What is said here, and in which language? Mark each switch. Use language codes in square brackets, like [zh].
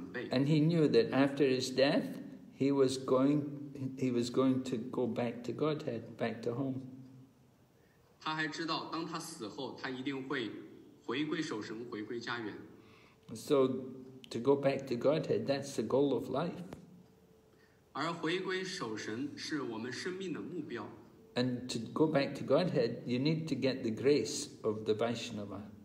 [en] And he knew that after his death, he was going to go back to Godhead, back to home. [zh] 他还知道当他死后他一定会回归守神回归家园。 [en] So to go back to Godhead, that's the goal of life. [zh] 而回归守神是我们生命的目标。 [en] And to go back to Godhead, you need to get the grace of the Vaishnava.